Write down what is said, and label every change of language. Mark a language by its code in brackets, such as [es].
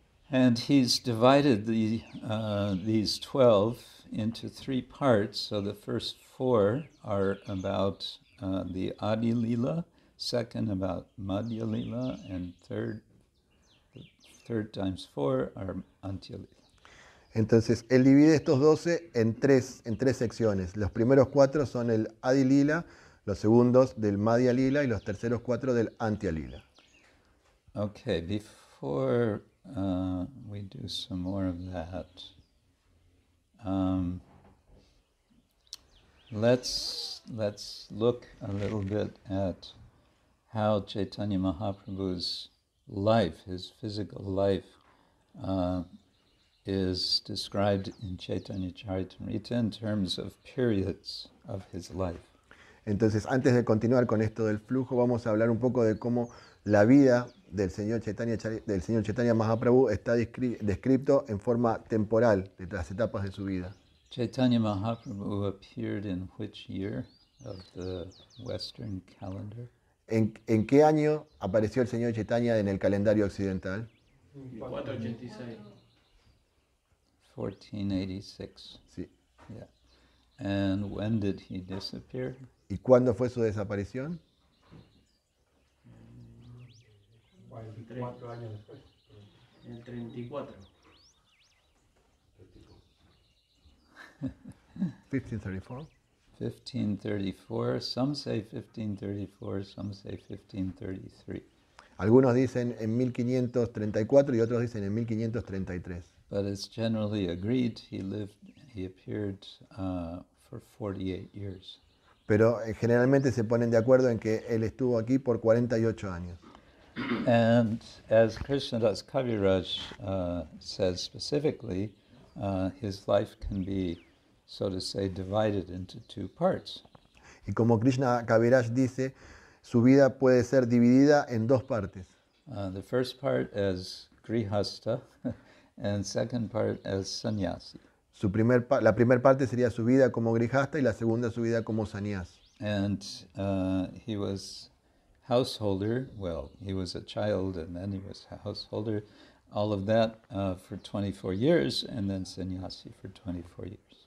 [en] And he's divided these 12 into three parts. So the first four are about the Adi Lila, second about Madhya Lila, and the third times four are Antya Lila. [es] Entonces, él divide estos 12 en tres secciones. Los primeros cuatro son el Adi Lila, los segundos del Madhya Lila y los terceros cuatro del Antya Lila. [en] Okay, before we do some more of that, let's look a little bit at how Chaitanya Mahaprabhu's life, his physical life, is described in Chaitanya Charitamrita in terms of periods of his life. [es] Entonces, antes de continuar con esto del flujo, vamos a hablar un poco de cómo la vida del señor Chaitanya Mahaprabhu está descrito en forma temporal de las etapas de su vida. [en] Chaitanya Mahaprabhu appeared in which year of the Western calendar? [es] ¿En qué año apareció el señor Chaitanya en el calendario occidental? 486. 1486. Sí. [en] Yeah. And when did he disappear? [es] ¿Y cuándo fue su desaparición? 4 años después. En el 34. 1534. [en] 1534, some say 1534, some say 1533. [es] Algunos dicen en 1534 y otros dicen en 1533. [en] But it's generally agreed he lived, he appeared for 48 years. [es] Pero generalmente se ponen de acuerdo en que él estuvo aquí por 48 años. [en] And as Krishnadas Kaviraj says specifically, his life can be, so to say, divided into two parts. [es] Y como Krishna Kaviraj dice, su vida puede ser dividida en dos partes. [en] The first part as Grihastha, and second part as Sannyasi. [es] Su primer la primera parte sería su vida como Grihastha y la segunda su vida como Sannyasi. [en] And he was householder, well, he was a child and then he was a householder, all of that for 24 years and then Sannyasi for 24 years.